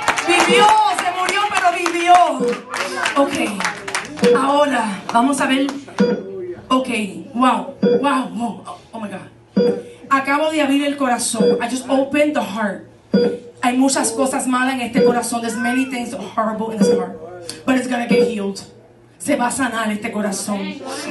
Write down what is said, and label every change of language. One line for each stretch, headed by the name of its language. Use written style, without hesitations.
Spanish: Vivió, se murió, pero vivió. Ok. Ahora, vamos a ver. Ok,
English: wow, oh my God.
Spanish: Acabo de abrir el corazón.
English: I just opened the heart.
Spanish: Hay muchas cosas malas en este corazón.
English: There's many things horrible in this heart. But it's gonna get healed.
Spanish: Se va a sanar este corazón.